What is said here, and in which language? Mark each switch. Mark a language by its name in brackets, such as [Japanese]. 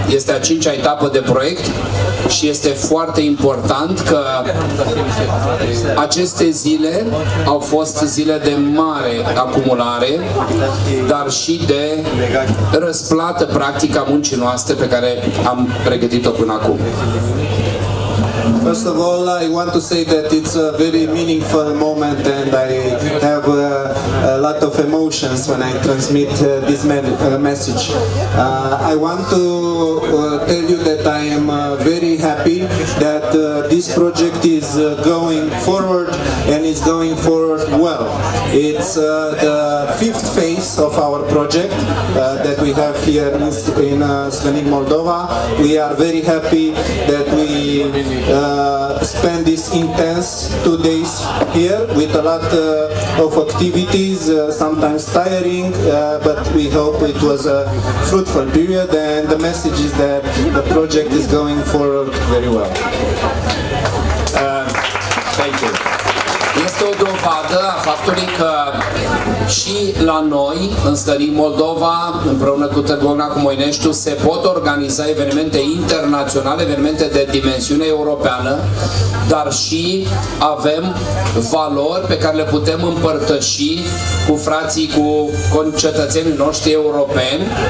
[Romanian] Este a cincea etapă de proiect și este foarte important că aceste zile au fost zile de mare acumulare, dar și de răsplată practic a muncii noastre pe care am pregătit-o până acum. [English] First of all, I want to say that it's a very meaningful moment, and I have a lot of emotions when I transmit this message. I want to tell you that I am very happy that this project is going forward, and is going forward well. It's the fifth phase of our project that we have here in Slanik, Moldova. We are very happy that we spend this intense 2 days here with a lot of activities, sometimes tiring, but we hope it was a fruitful period, and the message is that the project is going forward very well. Thank you. [Romanian] Este o dovadă a faptului că și la noi, în Slănic Moldova, împreună cu Târgoviana, cu Moineștiu, se pot organiza evenimente internaționale, evenimente de dimensiune europeană, dar și avem valori pe care le putem împărtăși cu frații, cu concetățenii noștri europeni,